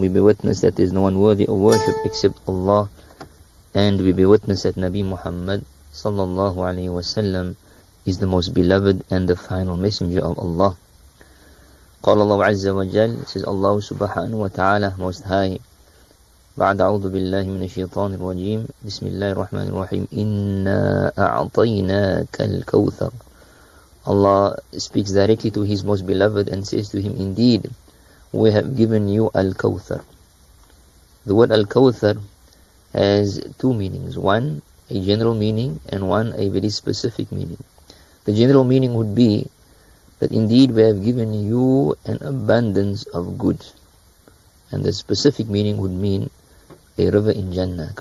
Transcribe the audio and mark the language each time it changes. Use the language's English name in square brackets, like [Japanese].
[English] We bear witness that there is no one worthy of worship except Allah, and we bear witness that Nabi Muhammad sallallahu alayhi wa sallam is the most beloved and the final messenger of Allah. [Arabic] Qala Allah azza wa jal, [English] says Allah subhanahu wa ta'ala most high, [Arabic] بعد أعوذ بالله من الشيطان الرجيم بسم الله الرحمن الرحيم إنا أعطيناك الكوثر. [English] Allah speaks directly to His most beloved and says to him, indeed we have given you al-kawthar. The word al-kawthar has two meanings, one a general meaning and one a very specific meaning. The general meaning would be that indeed we have given you an abundance of good, and the specific meaning would mean a river in Jannah.